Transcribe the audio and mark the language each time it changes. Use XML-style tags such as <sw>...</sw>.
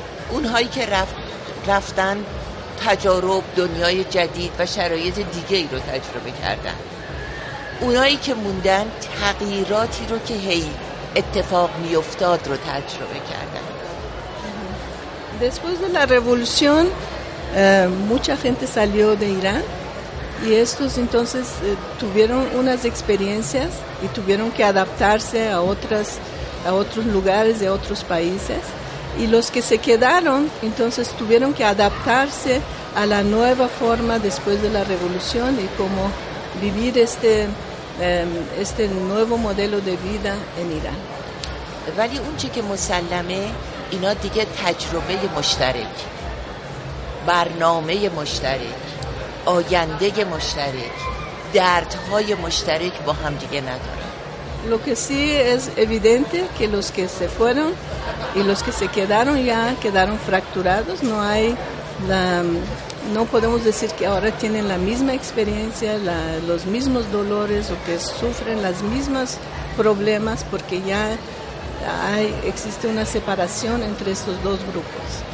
<fa>اونهایی که رفتن تجارب دنیای جدید و شرایط دیگه ای رو تجربه کردن. اونایی که موندن تغییراتی رو که هی اتفاق می افتاد رو تجربه کردن.</fa> <es>Después de la revolución mucha gente salió de Irán y estos entonces tuvieron unas experiencias y tuvieron que adaptarse a otras, a otros lugares de otros países, y los que se quedaron entonces tuvieron que adaptarse a la nueva forma después de la revolución y cómo vivir este este nuevo modelo de vida en Irán.</es> <fa>ولی اون چه که مسلمه اینا دیگه تجربه مشترک، برنامه مشترک، آینده مشترک، دردهای مشترک با هم دیگه ندارن.</fa> <es>Lo que sí es evidente que los que se fueron y los que se quedaron ya quedaron fracturados, no hay la, no podemos decir que ahora tienen la misma experiencia, la, los mismos dolores o que sufren las mismas problemas porque ya hay, existe una separación entre estos dos grupos.</es>